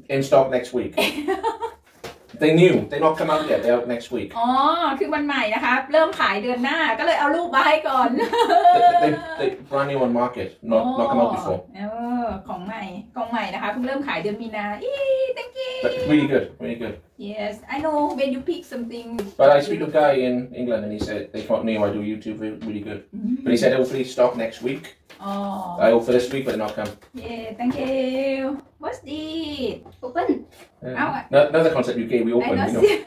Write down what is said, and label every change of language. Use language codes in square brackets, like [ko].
[en] In stock next week They new they not come out yet they're next week [th] อ๋อคือมันใหม่นะคะเริ่มขายเดือนหน้าก็เลยเอารูปมาให้ก่อน [en] they brand new on market not come out before [th] ของใหม่ของใหม่นะคะเพิ่งเริ่มขายเดือนมีนาอี [en] thank you That's really good really good yes I know when you pick something but I speak to a guy in England and he said they got new I do YouTube really good but he said it will free stock next week oh I will for this week but not come yeah thank you what's this open another concept UK we open you know